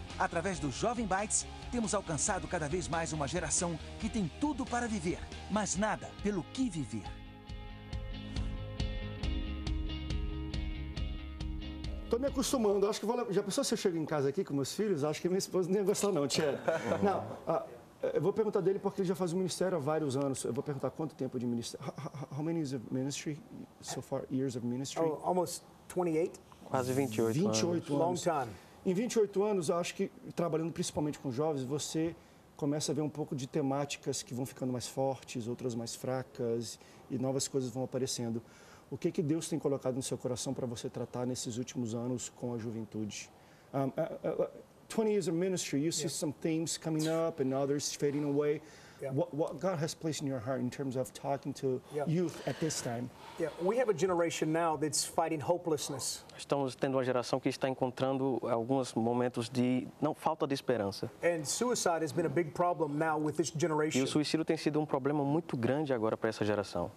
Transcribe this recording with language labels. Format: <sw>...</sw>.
<pt>Através do Jovem Bytes, temos alcançado cada vez mais uma geração que tem tudo para viver, mas nada pelo que viver. Tô me acostumando, acho que vou... Já pensou se eu chego em casa aqui com meus filhos? Acho que minha esposa nem gosta não, Tiago. Não, eu vou perguntar dele porque ele já faz o ministério há vários anos. Eu vou perguntar quanto tempo de ministério...</pt> <en>How many years of ministry, so far, years of ministry? Oh, almost 28.</en> <pt>Quase 28, 28 anos. 28 anos.</pt> <en>Long time.</en> <pt>Em 28 anos, eu acho que trabalhando principalmente com jovens, você começa a ver um pouco de temáticas que vão ficando mais fortes, outras mais fracas, e novas coisas vão aparecendo. O que que Deus tem colocado no seu coração para você tratar nesses últimos anos com a juventude?</pt> <en>20 years of ministry, you see some themes coming up and others fading away. Yeah. What God has placed in your heart in terms of talking to youth at this time? Yeah, we have a generation now that's fighting hopelessness.</en> <pt>Estamos tendo uma geração que está encontrando alguns momentos de não falta de esperança.</pt> <en>And suicide has been a big problem now with this generation.</en> <pt>E o suicídio tem sido um problema muito grande agora para essa geração.</pt>